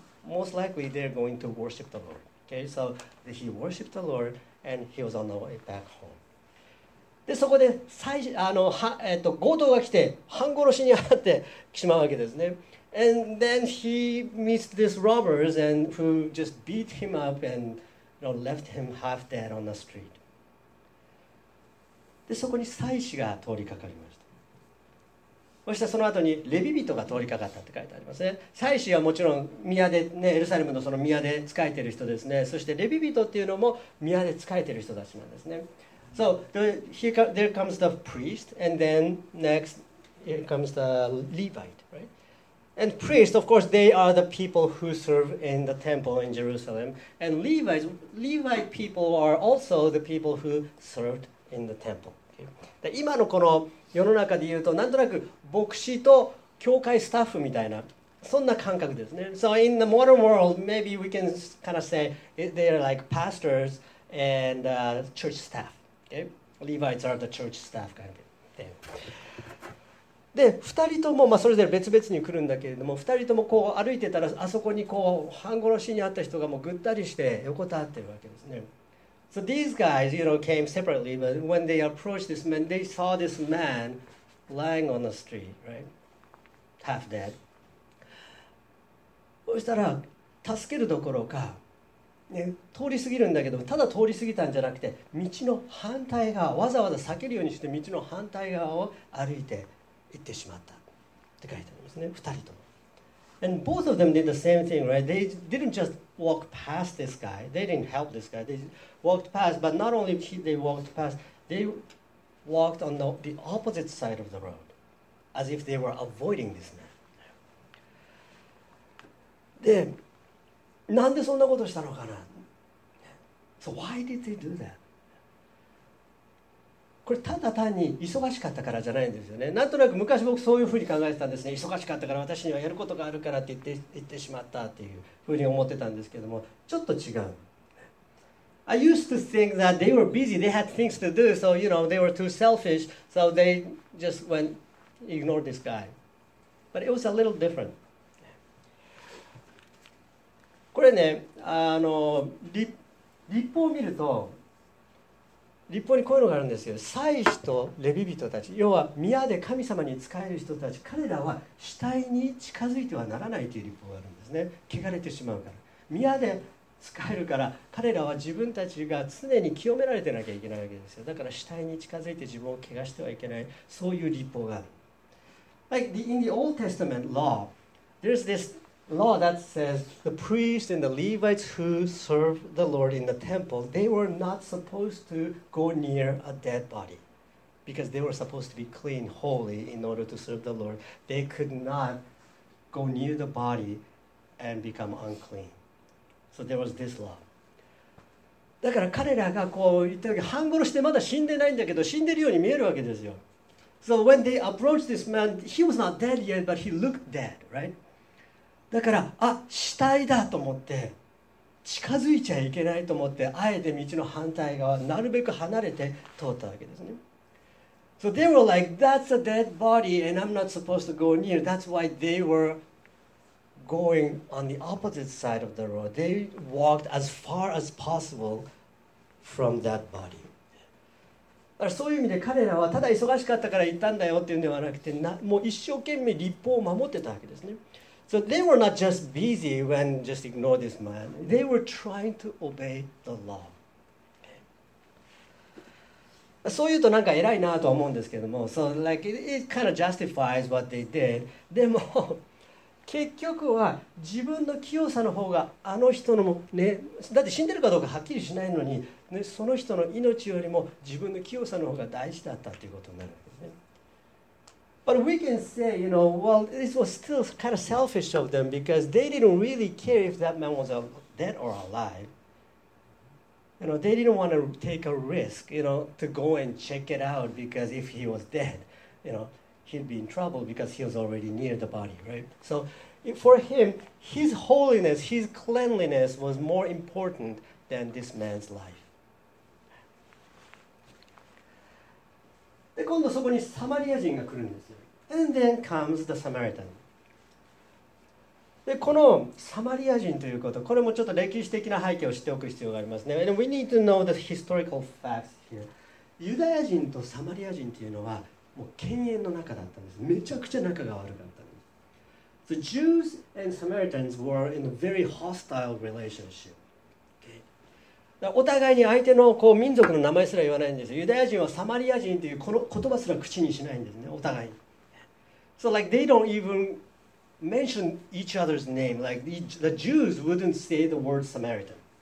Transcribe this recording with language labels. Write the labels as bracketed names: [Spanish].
[English] Most likely they're going to worship the Lord. Okay, so he worshiped the Lord and he was on the way back home. [Japanese] で、そこで強盗が来て半殺しにあってしまうわけですね。 [English] And then he meets these robbers and who just beat him up and you know, left him half dead on the street. [Japanese] で、そこに祭司が通りかかりました。そしてその後にレビ人が通りかかったって書いてありますね。祭司はもちろん宮で、ね、エルサレムのその宮で仕えている人ですね。そしてレビ人っていうのも宮で仕えている人たちなんですね。 [English] So there comes the priest and then next here comes the Levite, right? And priest, of course, they are the people who serve in the temple in Jerusalem. And Levite people are also the people who served in the temple. Okay, [Japanese] で今のこの世の中でいうと、なんとなく牧師と教会スタッフみたいな、そんな感覚ですね。 [English] So in the modern world, maybe we can kind of say they are like pastors and church staff. Okay? Levites are the church staff kind of thing. [Japanese] で、2人とも、まあ、それぞれ別々に来るんだけれども、2人ともこう歩いてたら、あそこにこう半殺しにあった人がもうぐったりして横たわってるわけですね。 [English] So these guys, you know, came separately, but when they approached this man, they saw this man lying on the street, right? Half dead. [Japanese] そしたら助けるどころか、ね、通り過ぎるんだけど、ただ通り過ぎたんじゃなくて道の反対側、わざわざ避けるようにして道の反対側を歩いて行ってしまったって書いてありますね、2人とも。 [English] And both of them did the same thing, right? They didn't just walk past this guy. They didn't help this guy. They walked past, but not only they walked past, they walked on the opposite side of the road as if they were avoiding this man. [Japanese] で、なんでそんなことしたのかな。 [English] So why did they do that? [Japanese] これただ単に忙しかったからじゃないんですよね。なんとなく昔僕そういうふうに考えてたんですね。忙しかったから、私にはやることがあるからって言ってしまったっていうふうに思ってたんですけども、ちょっと違う。 [English] I used to think that they were busy, they had things to do, so you know, they were too selfish, so they just went ignore this guy. But it was a little different. [Japanese] これね、あの立法を見ると、立法にこういうのがあるんですよ。祭司とレビ人たち、要は宮で神様に仕える人たち、彼らは死体に近づいてはならないという立法があるんですね。汚れてしまうから。宮で仕えるから、彼らは自分たちが常に清められてなきゃいけないわけですよ。だから死体に近づいて自分を汚してはいけない、そういう立法がある。 [English] Like in the Old Testament law, there's thislaw that says the priests and the Levites who serve the Lord in the temple, they were not supposed to go near a dead body because they were supposed to be clean, holy in order to serve the Lord. They could not go near the body and become unclean. So there was this law. [Japanese] だから彼らがこう言った時、半殺してまだ死んでないんだけど、死んでるように見えるわけですよ。 [English] So when they approached this man, he was not dead yet, but he looked dead, right? [Japanese] だから、あ、死体だと思って近づいちゃいけないと思って、あえて道の反対側なるべく離れて通ったわけですね。 [English] So they were like, that's a dead body and I'm not supposed to go near. That's why they were going on the opposite side of the road. They walked as far as possible from that body. [Japanese] だからそういう意味で彼らはただ忙しかったから行ったんだよっていうのではなくて、もう一生懸命立法を守ってたわけですね。 [English] So they were not just busy when just ignore this man. They were trying to obey the law. [Japanese] そう言うとなんか偉いなと思うんですけども、 [English] So like it kind of justifies what they did. [Japanese] でも結局は自分の清さの方があの人のもね、だって死んでるかどうかはっきりしないのに、ね、その人の命よりも自分の清さの方が大事だったということになる。 [English] But we can say, you know, well, this was still kind of selfish of them because they didn't really care if that man was dead or alive. You know, they didn't want to take a risk, you know, to go and check it out because if he was dead, you know, he'd be in trouble because he was already near the body, right? So for him, his holiness, his cleanliness was more important than this man's life. [Japanese] で、今度そこにサマリア人が来るんですよ。 [English] And then comes the Samaritan. [Japanese] で、このサマリア人ということ、これもちょっと歴史的な背景を知っておく必要がありますね。 [English] And we need to know the historical facts here. [Japanese] ユダヤ人とサマリア人というのは、もう犬猿の仲だったんです。めちゃくちゃ仲が悪かったんです。 [English] The Jews and Samaritans were in a very hostile relationship. [Japanese] お互いに相手のこう民族の名前すら言わないんですよ。ユダヤ人はサマリア人というこの言葉すら口にしないんですね、お互いに。 [English] So like they don't even mention each other's name. Like the Jews wouldn't say the word Samaritan.